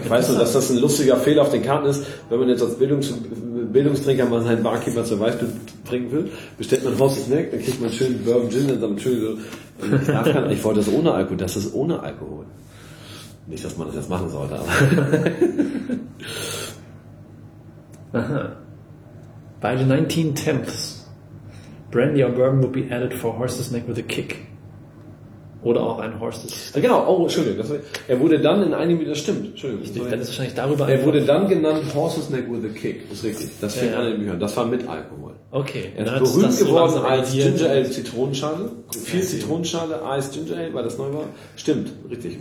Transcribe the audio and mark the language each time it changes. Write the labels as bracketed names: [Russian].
[German] Ich weiß nur, dass das ein lustiger Fehler auf den Karten ist. Wenn man jetzt als Bildungstrinker mal seinen Barkeeper zur Weißbild trinken will, bestellt man Horse's Neck, dann kriegt man schön Bourbon Gin und dann schön so. Ich wollte das ohne Alkohol. Das ist ohne Alkohol. Nicht, dass man das jetzt machen sollte, aber. Aha. [English] By the 1910s, Brandy or Bourbon would be added for Horse's Neck with a kick. [German] Oder auch ein Horse's. Genau, oh, Entschuldigung. Das war, er wurde dann in einigen, das stimmt. Entschuldigung. Ich denke, das ist wahrscheinlich darüber. Er wurde dann genannt Horse's Neck with a Kick. Ist richtig. Das fing an in den Büchern. Das war mit Alkohol. Okay. Er ist berühmt das geworden so als Ginger Ale Zitronenschale. Viel Zitronenschale, Eis Ginger Ale, weil das neu war. Stimmt, richtig.